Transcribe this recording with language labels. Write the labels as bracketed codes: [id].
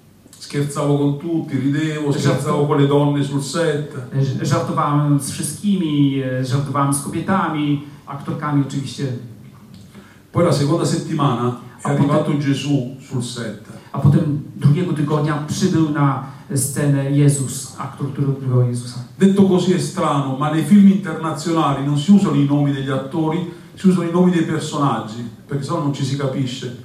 [it] Scherzavo con tutti, ridevo, scherzavo con le donne sul set. [pl] Żartowałem z wszystkimi, żartowałem z kobietami, aktorkami oczywiście. [it] Poi la seconda settimana è arrivato Gesù sul set. [pl] A potem drugiego tygodnia przybył na scenę Jezus, aktor, który odgrywał Jezusa. [it] Detto così è strano, ma nei film internazionali non si usano i nomi degli attori, si usano i nomi dei personaggi, perché sennò non ci si capisce.